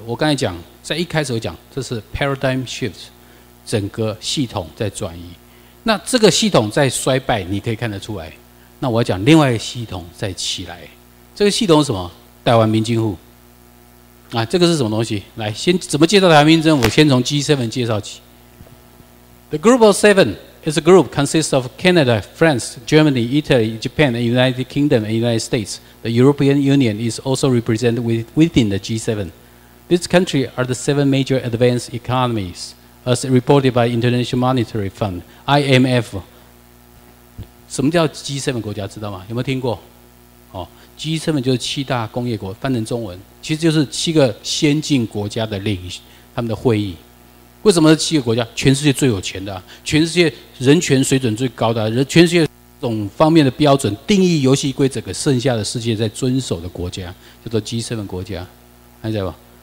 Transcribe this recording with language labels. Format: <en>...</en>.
<zh>我刚才讲，在一开始我讲，这是 paradigm shift， 整个系统在转移。那这个系统在衰败，你可以看得出来。那我要讲另外一个系统在起来。这个系统是什么？台湾民进户啊，这个是什么东西？来，先怎么介绍台湾民政府？先从 G7 介绍起。</zh> <en>The Group of Seven is a group consists of Canada, France, Germany, Italy, Japan, and United Kingdom and United States. The European Union is also represented within the G7. These countries are the 7 major advanced economies, as reported by International Monetary Fund, IMF.</en> <zh>什么叫 G7 国家知道吗？有没有听过？哦 ，G7 就是七大工业国，翻成中文其实就是七个先进国家的领他们的会议。为什么是七个国家？全世界最有钱的，全世界人权水准最高的，全世界种方面的标准，定义游戏规则给剩下的世界在遵守的国家，叫做 G7 国家，还在吧？</zh>